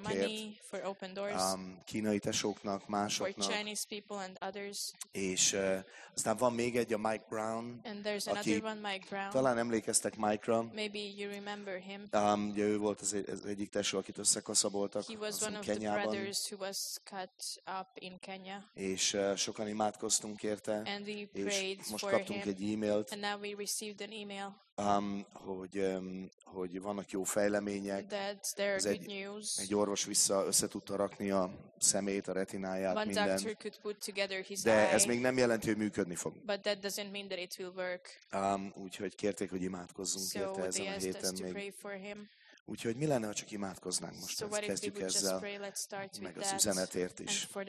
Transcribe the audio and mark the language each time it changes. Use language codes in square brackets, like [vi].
[en] for money, for open doors, [hu] kínai tesóknak, másoknak. [en] For Chinese people and others. [hu] És aztán van még egy, a Mike Brown. [en] And there's another one, Mike Brown. [hu] Talán emlékeztek Mike-ra. [en] Maybe you remember him. [hu] Ugye ő volt az egyik tesó, akit összekaszaboltak. [en] He was one of the brothers who was cut up in Kenya. [hu] És sokan imádkoztunk érte, [en] and we [hu] és most kaptunk [en] him, [hu] egy e-mailt, [en] and now we received an email, [hu] hogy vannak jó fejlemények, [en] that there are good news. [hu] Egy orvos össze tudta rakni a szemét, a retináját, [en] one [hu] minden, [en] doctor could put together his [hu] de [en] eye, [hu] ez még nem jelenti, hogy működni fog. [en] But that doesn't mean that it will work. [hu] Úgyhogy kérték, hogy imádkozzunk [en] so [hu] érte ezen a héten még. Úgyhogy mi lenne, ha csak imádkoznánk most, [en] so [hu] ezt kezdjük ezzel, meg az üzenetért is.